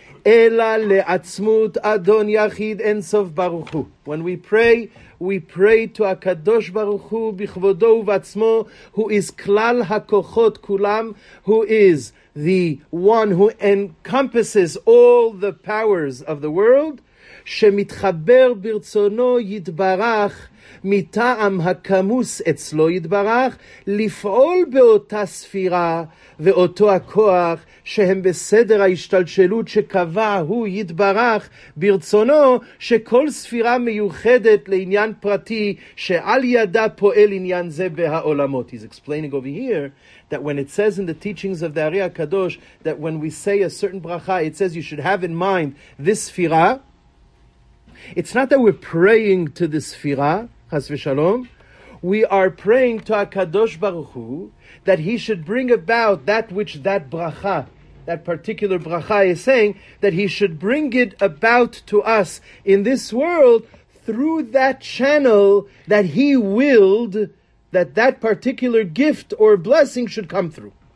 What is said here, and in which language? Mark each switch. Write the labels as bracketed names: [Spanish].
[Hebrew] Ela leatzmut adon yachid ensof baruch hu. [English] When we pray to HaKadosh Baruch Hu [Hebrew] b'chvodo v'atzmo, [English] who is [Hebrew] klal hakochot kulam, [English] who is the one who encompasses all the powers of the world, [Hebrew] שמתחבר ברצונו יתברך מטעם הכמוס אצלו יתברך לפעול באותה ספירה ואותו הכוח שהם בסדר ההשתלשלות שקבע הוא יתברך ברצונו שכל ספירה מיוחדת לעניין פרטי שעל ידה פועל עניין זה בהעולמות. [English] He's explaining over here that when it says in the teachings of the Ari HaKadosh that when we say a certain bracha, it says you should have in mind this ספירה. It's not that we're praying to the Sfira, Chas v'Shalom. We are praying to HaKadosh Baruch Hu that he should bring about that which that bracha, that particular bracha is saying, that he should bring it about to us in this world through that channel that he willed that that particular gift or blessing should come through.